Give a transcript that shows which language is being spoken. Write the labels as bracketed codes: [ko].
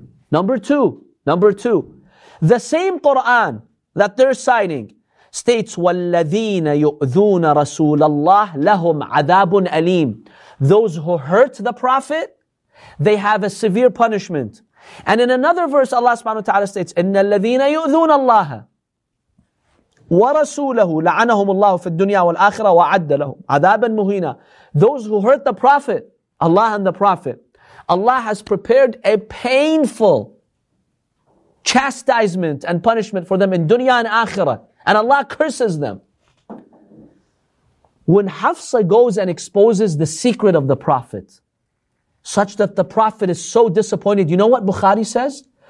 [en] Number two, the same Quran that they're citing states, [ar] وَالَّذِينَ يُؤْذُونَ رَسُولَ اللَّهِ لَهُمْ عَذَابٌ أَلِيمٌ. [en] Those who hurt the Prophet, they have a severe punishment. And in another verse, Allah subhanahu wa ta'ala states, [ar] إِنَّ الَّذِينَ يُؤْذُونَ اللَّهَ وَرَسُولَهُ لَعَنَهُمُ اللَّهُ فِي الدُّنْيَا وَالْآخِرَةِ وَعَدَّ لَهُمْ عَذَابًا مُهِينًا. [en] Those who hurt the Prophet, Allah and the Prophet, Allah has prepared a painful chastisement and punishment for them in dunya and akhirah. And Allah curses them. When Hafsa goes and exposes the secret of the Prophet, such that the Prophet is so disappointed, you know what Bukhari says?